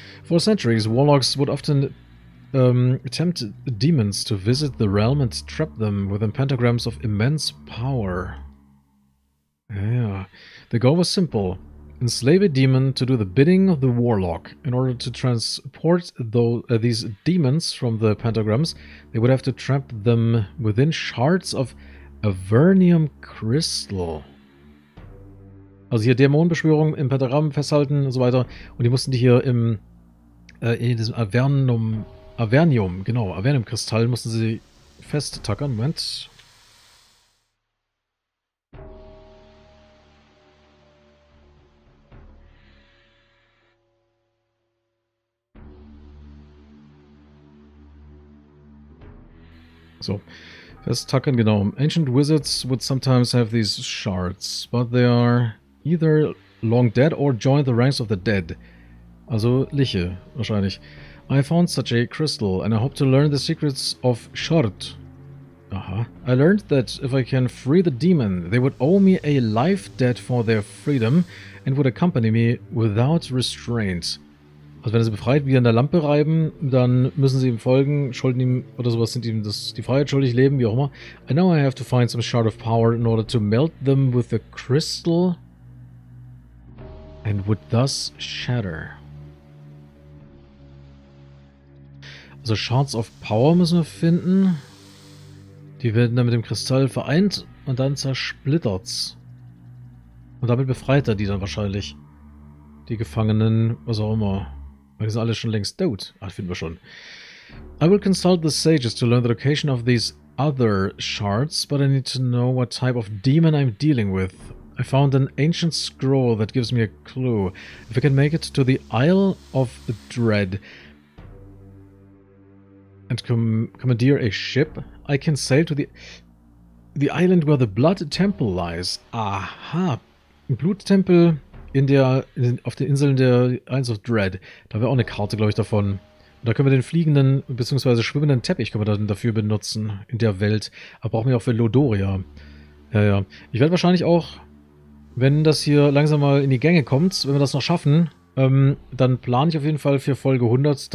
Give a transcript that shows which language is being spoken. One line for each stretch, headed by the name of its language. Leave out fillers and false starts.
English: For centuries, warlocks would often tempt demons to visit the realm and trap them within pentagrams of immense power. Yeah. The goal was simple. Enslave a demon to do the bidding of the warlock. In order to transport these demons from the pentagrams, they would have to trap them within shards of Avernium crystal.
German: Also hier Dämonenbeschwörung im Pentagramm festhalten und so weiter. Und die mussten die hier im... in diesem Avernium-Kristall mussten sie festtackern. Moment. So. Festtackern, genau.
English: Ancient Wizards would sometimes have these shards, but they are either long dead or join the ranks of the dead.
German: Also Liche, wahrscheinlich.
English: I found such a crystal, and I hope to learn the secrets of Short. Aha. I learned that if I can free the demon, they would owe me a life debt for their freedom and would accompany me without restraint.
German: Also wenn er sie befreit, wie an der Lampe reiben, dann müssen sie ihm folgen, schulden ihm oder sowas, sind ihm das, die Freiheit schuldig, leben, wie auch immer.
English: I know I have to find some Shard of Power in order to melt them with the crystal and would thus shatter.
German: Also Shards of Power müssen wir finden. Die werden dann mit dem Kristall vereint und dann zersplittert's. Und damit befreit er die dann wahrscheinlich. Die Gefangenen, was auch immer. Weil die sind alle schon längst tot. Ah, finden wir schon.
English: I will consult the sages to learn the location of these other shards, but I need to know what type of demon I'm dealing with. I found an ancient scroll that gives me a clue. If I can make it to the Isle of Dread and commandeer a ship, I can sail to the island where the Blood Temple lies. Aha.
German: Ein Bluttempel auf den Inseln der Isles of Dread. Da wäre auch eine Karte, glaube ich, davon. Da können wir den fliegenden bzw. schwimmenden Teppich können wir dann dafür benutzen in der Welt. Aber brauchen wir auch für Lodoria. Ja. Ich werde wahrscheinlich auch, wenn das hier langsam mal in die Gänge kommt, wenn wir das noch schaffen, dann plane ich auf jeden Fall für Folge 100.